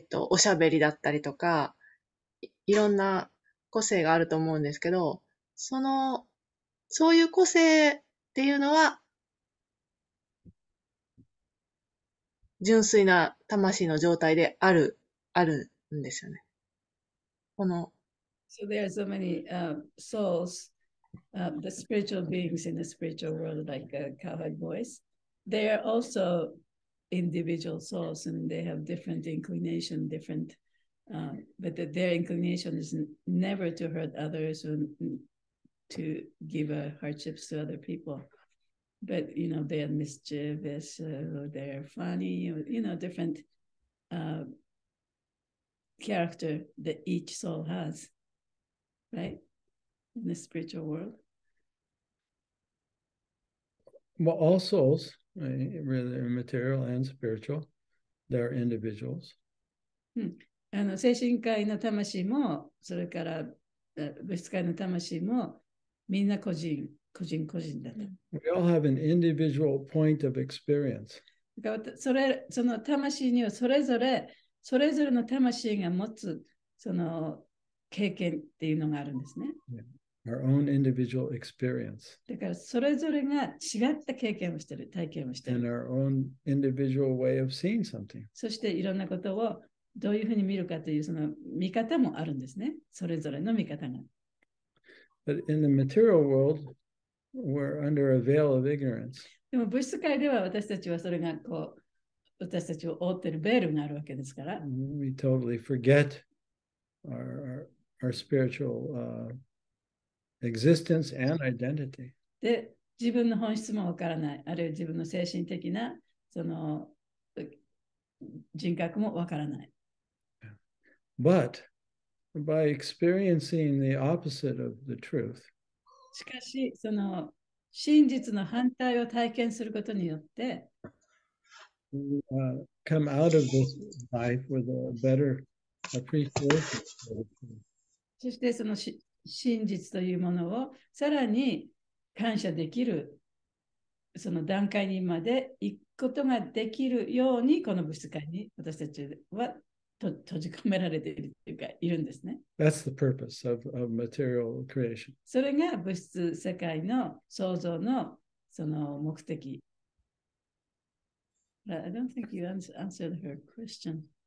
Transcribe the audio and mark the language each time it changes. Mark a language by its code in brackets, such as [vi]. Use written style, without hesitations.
[ja] おしゃべりだったりとか、いろんな個性があると思うんですけど、そういう個性っていうのは、純粋な魂の状態である、あるんですよね。 [en] So there are so many souls, the spiritual beings in the spiritual world, like a cowherd voice. They are also individual souls, and they have different inclination, but their inclination is never to hurt others or to give hardships to other people. But they are mischievous, or they are funny, or different character that each soul has. Right, in the spiritual world. Well, all souls, material and spiritual, they're individuals. [ja] 精神科医の魂も、それから物質科医の魂も、みんな個人、個人、個人だと。 [en] We all have an individual point of experience. [ja] その魂にはそれぞれの魂が持つ、経験っていうのがあるんですね。 [en] Our own individual experience. [ja] だからそれぞれが違った経験をしている、体験をしている。 [en] And our own individual way of seeing something. [ja] そしていろんなことをどういうふうに見るかというその見方もあるんですね。それぞれの見方が。 [en] But in the material world, we're under a veil of ignorance. [ja] でも物質界では私たちはそれがこう私たちを覆っているベールがあるわけですから。 [en] We totally forget our spiritual existence and identity. [ja] で、自分の本質もわからない、あるいは自分の精神的なその人格もわからない。 [en] But by experiencing the opposite of the truth, [ja] しかし、その真実の反対を体験することによって、 [en] we come out of this life with a better appreciation of the truth. [ja] そしてその真実というものをさらに感謝できるその段階にまで行くことができるようにこの物質界に私たちは閉じ込められているというかいるんですね。 [en] That's the purpose of material creation. [ja] それが物質世界の創造のその目的。 [en] But、I don't think you answered her question.